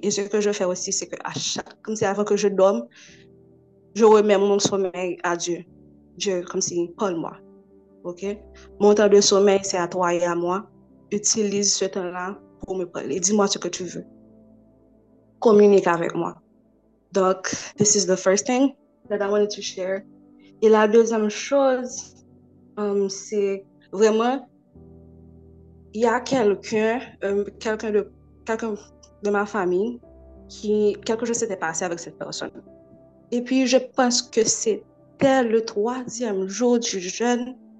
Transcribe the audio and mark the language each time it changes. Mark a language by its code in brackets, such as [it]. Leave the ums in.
[fr] Et ce que je fais aussi, c'est que à chaque, comme si avant que je dorme, je remets mon sommeil à Dieu. Dieu, comme si, parle-moi. OK? Mon temps de sommeil, c'est à toi et à moi. Utilise ce temps-là pour me parler. Dis-moi ce que tu veux. Communique avec moi. [en] Donc, this is the first thing that I wanted to share. [fr] Et la deuxième chose, um, c'est vraiment, il y a quelqu'un, euh, quelqu'un de, quelqu'un de ma famille, qui, quelque chose s'était passé avec cette personne. Et puis, je pense que c'était le troisième jour du jeûne.